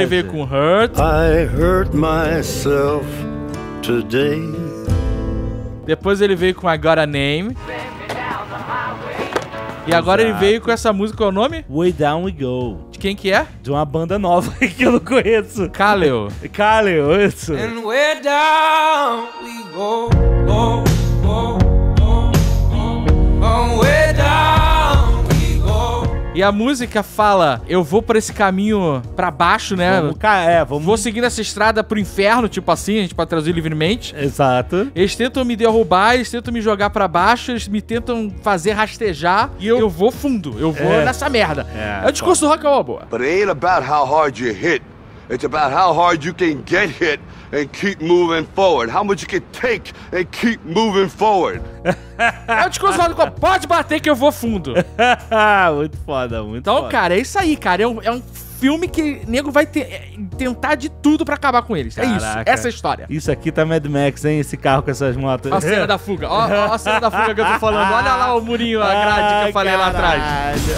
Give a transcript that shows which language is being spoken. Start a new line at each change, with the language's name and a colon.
Portuguese: Ele veio com Hurt.
English: I hurt myself today.
Portuguese: Depois ele veio com I Got a Name. E agora Exato. Ele veio com essa música, qual é o nome?
English: Way Down We Go.
Portuguese: De quem que é? De uma banda nova que eu não conheço. Kaleo. Kaleo, isso.
English: And way down we go, go, go, go, go, go, way down we go.
Portuguese: E a música fala, eu vou pra esse caminho pra baixo, né? Vamos. Vou seguindo essa estrada pro inferno, tipo assim, a gente pode traduzir livremente. Exato. Eles tentam me derrubar, eles tentam me jogar pra baixo, eles me tentam fazer rastejar e eu vou fundo, eu vou nessa merda. É o discurso do Rock and Roll, boa.
English: But it ain't about how hard you hit, it's about how hard you can get hit and keep moving forward. How much you can take and keep moving forward.
Portuguese: É o discurso do Rock and Roll, pode bater que eu vou fundo. Muito foda, muito então, foda. Então, cara, é isso aí, cara, é um filme que nego vai tentar de tudo pra acabar com eles. Caraca. É isso. Essa é a história. Isso aqui tá Mad Max, hein? Esse carro com essas motos. A cena da fuga. Ó a cena da fuga que eu tô falando. Olha lá o murinho, a grade que eu falei caralho. Lá atrás.